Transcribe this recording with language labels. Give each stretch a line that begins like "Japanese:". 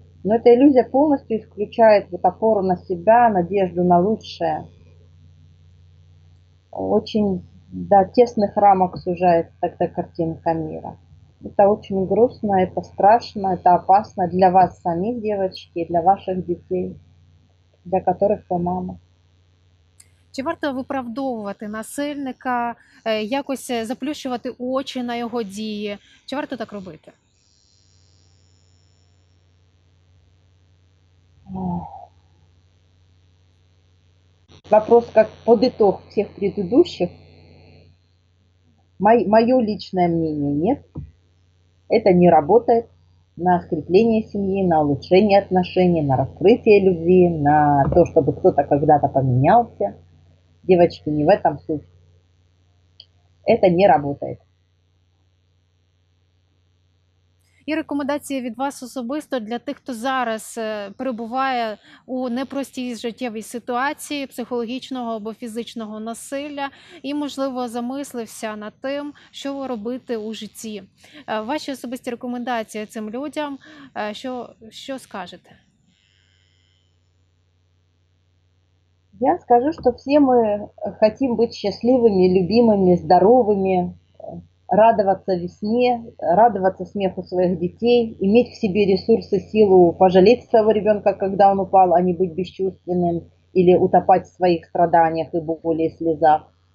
Russian: Но эта иллюзия полностью исключает вот опору на себя, надежду на лучшее. Очень до тесных рамок сужает тогда картинка мира. Это очень грустно, это страшно, это опасно для вас самих, девочки, для ваших детей, для которых вы мама.
Ukrainian: Чи варто виправдовувати насильника, якось заплющувати очі на його дії? Чи варто так робити?
Russian: Вопрос как подытог всех предыдущих. Мое личное мнение нет. Это не работает на скрепление семьи, на улучшение отношений, на раскрытие любви, на то, чтобы кто-то когда-то поменялся. Девочки, не в этом суть. Это не работает.
Ukrainian: І рекомендації від вас особисто для тих, хто зараз перебуває у непростій життєвій ситуації психологічного або фізичного насилля і, можливо, замислився над тим, що робити у житті. Ваші особисті рекомендації цим людям, що скажете?
Russian: Я скажу, что все мы хотим быть счастливыми, любимыми, здоровыми, радоваться весне, радоваться смеху своих детей, иметь в себе ресурсы, силу пожалеть своего ребенка, когда он упал, а не быть бесчувственным или утопать в своих страданиях и боли и слезах.